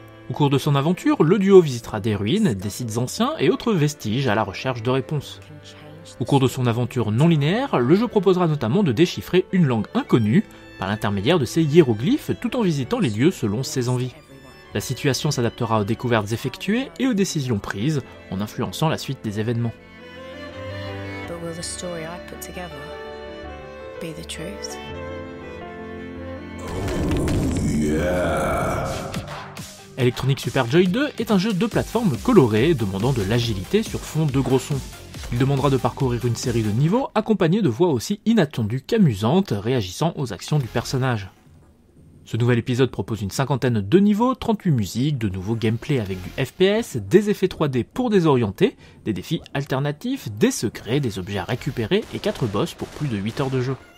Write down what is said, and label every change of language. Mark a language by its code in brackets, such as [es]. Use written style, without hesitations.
[fr] Au cours de son aventure, le duo visitera des ruines, des sites anciens et autres vestiges à la recherche de réponses. Au cours de son aventure non linéaire, le jeu proposera notamment de déchiffrer une langue inconnue par l'intermédiaire de ses hiéroglyphes tout en visitant les lieux selon ses envies. La situation s'adaptera aux découvertes effectuées et aux décisions prises, en influençant la suite des événements. [en] But will the story I put together be the truth? Oh, yeah. [fr] Electronic Super Joy 2 est un jeu de plateforme coloré demandant de l'agilité sur fond de gros sons. Il demandera de parcourir une série de niveaux accompagnés de voix aussi inattendues qu'amusantes réagissant aux actions du personnage. Ce nouvel épisode propose une cinquantaine de niveaux, 38 musiques, de nouveaux gameplay avec du FPS, des effets 3D pour désorienter, des défis alternatifs, des secrets, des objets à récupérer et 4 boss pour plus de 8 heures de jeu.